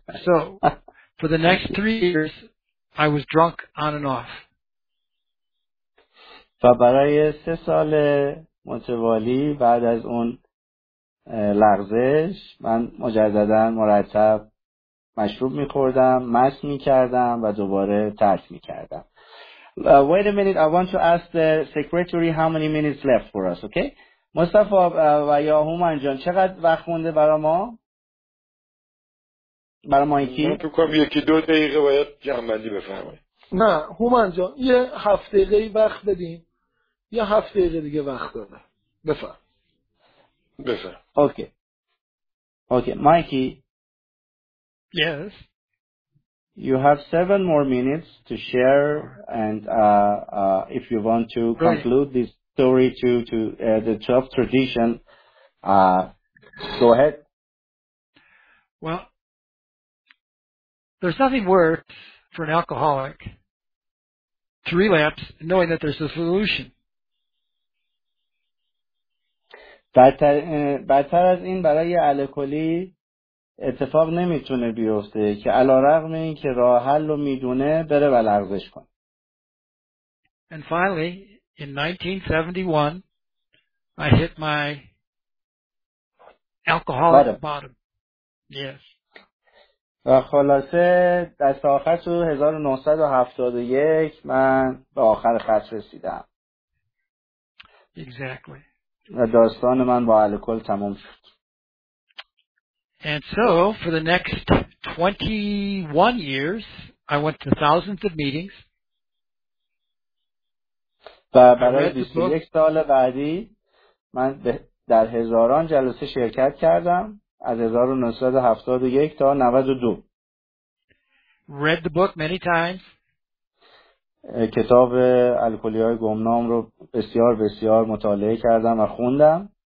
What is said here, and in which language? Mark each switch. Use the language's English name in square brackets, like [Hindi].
[English] So, for the next 3 years, I was drunk on and off. [Persian] برای 3 سال متوالی بعد از اون لغزش من مجددا مرتب مشروب می‌خوردم، مست می‌کردم و دوباره ترک می‌کردم. [English] Wait a minute, I want to ask the secretary how many minutes left for us, okay? [Persian] مصطفی و یا هومن جان چقدر وقت مونده برای ما؟ برای مایکی؟ تو کام 1-2 دقیقه باید جمع‌بندی بفرمایید. نه، هومن جان یه 7 دقیقه وقت بدین. یه 7 دقیقه دیگه وقت بدین. بفرم. [English] Okay. Mikey. Yes. You have 7 more minutes to share, and if you want to conclude this story to the 12th tradition, go ahead. Well, there's nothing worse for an alcoholic to relapse knowing that there's a solution. [Persian] بدتر از این برای الکلی اتفاق نمیتونه بیفته که علارغم این که راه حل رو میدونه بره و لغزش کنه. [English] And finally, in 1971, I hit my alcoholic bottom. Yes. [Persian] و خلاصه دست آخر تو 1971 من به آخر خط رسیدم. [English] Exactly. [Persian] داستان من با الکل تمام شد. [English] And so, for the next 21 years, I went to thousands of meetings. [Persian] و برای 21 سال بعدی من در هزاران جلسه شرکت کردم از 1971 تا 92. [English] Read the book many times. [Persian] کتاب الکلی‌های گمنام رو بسیار بسیار مطالعه کردم و خوندم.